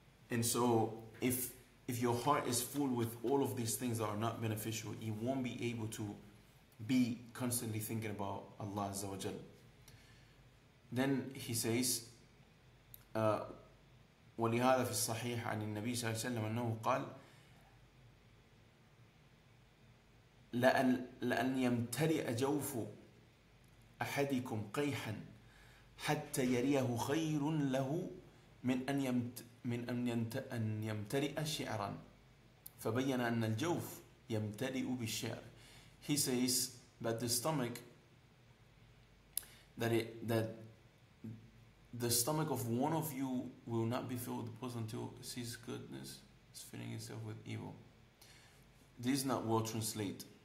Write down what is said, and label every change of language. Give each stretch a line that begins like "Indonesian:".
English: And so if your heart is full with all of these things that are not beneficial, you won't be able to be constantly thinking about Allah Azza wa Jal.
Arabic: Then he says, وَلِهَذَا فِي الصَّحِيحَ عَنِ النَّبِي صَلَّى اللَّهُ عَلَيْهِ وَسَلَّمَ أَنَّهُ قَالَ لأن يمتلئ جوف أحدكم قيحا حتى يريه خير له من أن يمتلئ شعرا فبين أن الجوف يمتلئ بالشعر.
English: He says that the stomach, that the stomach of one of you will not be filled with the post until it sees goodness, it's filling itself with evil. This is not well translated.